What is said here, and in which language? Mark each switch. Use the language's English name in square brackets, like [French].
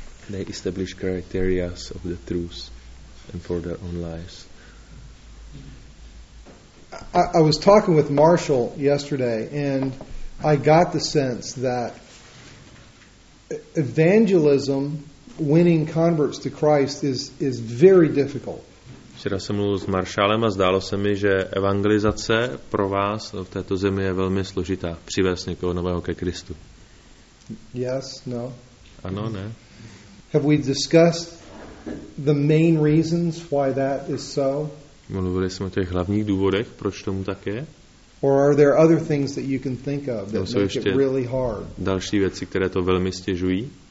[English] They establish criteria of the truth and for their own lives. I was talking with Marshall yesterday, and I got the sense that evangelism, winning converts to Christ, is very difficult. [Czech] Včera jsem mluvil s Marshallem a zdálo se mi, že evangelizace pro vás v této zemi je velmi složitá. Přivést někoho nového ke Kristu. [English] Yes, no. [Czech] Ano, ne. [English] Have we discussed the main reasons why that is so? [Czech] Mluvili jsme o těch hlavních důvodech, proč tomu tak je? [English] Or are there other things that you can think of that make it really hard? [Czech] Další věci, které to velmi stěžují.